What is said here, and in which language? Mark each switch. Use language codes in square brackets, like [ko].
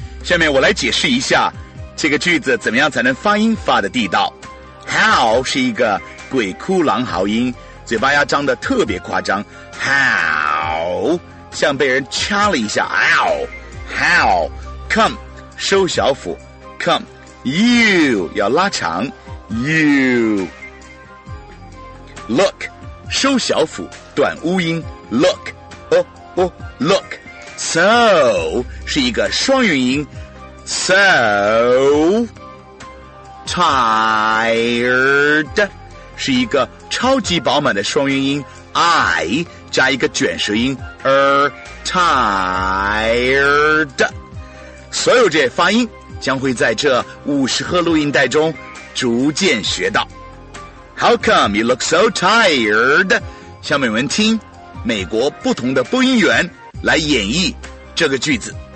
[zh] 下面我来解释一下这个句子怎么样才能发音发得地道。 How 是一个鬼哭狼嚎音，嘴巴要张得特别夸张。 How 像被人掐了一下。 [en] Ow, how come [zh] 收小腹。 [en] Come you [zh] 要拉长。 [en] You look. [zh] 收小腹，短乌音 ，look， 哦哦 ，look， so 是一个双元音 ，so tired 是一个超级饱满的双元音 ，i 加一个卷舌音 ，er tired， 所有这些发音将会在这50赫录音带中逐渐学到。 [en] How come you look so tired? [zh] 下面我们听美国不同的播音员来演绎这个句子。